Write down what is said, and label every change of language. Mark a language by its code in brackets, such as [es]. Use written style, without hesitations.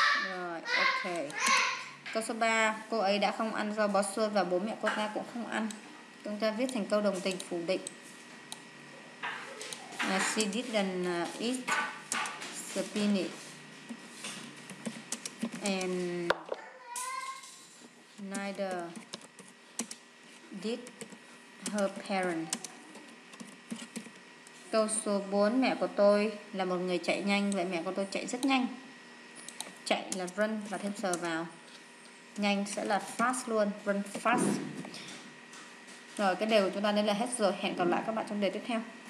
[vi] Rồi, ok. Câu số 3, cô ấy đã không ăn rau bó xôi và bố mẹ cô ta cũng không ăn. Chúng ta viết thành câu đồng tình phủ định. [en] She didn't eat spinach and neither did her parents. [vi] Câu số 4, mẹ của tôi là một người chạy nhanh, vậy mẹ của tôi chạy rất nhanh. Chạy là run và thêm sờ vào. Nhanh sẽ là fast luôn, run fast. Rồi cái đề của chúng ta đây là hết rồi. Hẹn gặp lại các bạn trong đề tiếp theo.